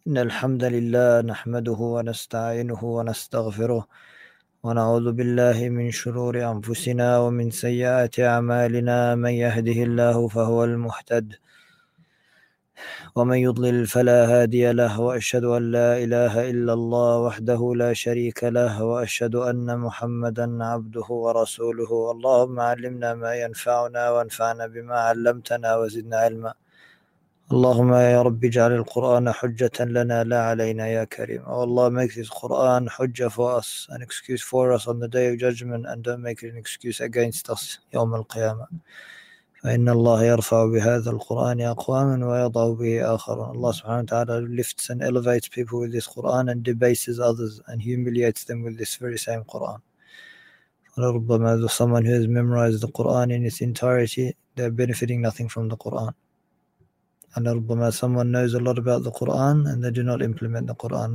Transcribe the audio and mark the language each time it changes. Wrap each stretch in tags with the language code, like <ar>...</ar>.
<ar>إن الحمد لله نحمده ونستعينه ونستغفره ونعوذ بالله من شرور أنفسنا ومن سيئات أعمالنا، من يهده الله فهو المهتد ومن يضلل فلا هادي له، وأشهد أن لا إله إلا الله وحده لا شريك له، وأشهد أن محمدًا عبده ورسوله. اللهم علمنا ما ينفعنا وانفعنا بما علمتنا وزدنا علما. اللهم يا رب اجعل القرآن حجة لنا لا علينا يا كريم.</ar> <en>Oh Allah, make this Quran hujjah for us, an excuse for us on the day of judgment, and don't make it an excuse against us</en> <ar>يوم القيامة. فإن الله يرفع بهذا القرآن أقواما ويضع به آخرون.</ar> <en>Allah subhanahu wa ta'ala lifts and elevates people with this Quran and debases others and humiliates them with this very same Quran.</en> <ar>ربما</ar> <en>someone who has memorized the Quran in its entirety, they're benefiting nothing from the Quran. And Rabbama, someone knows a lot about the Quran and they do not implement the Quran.</en>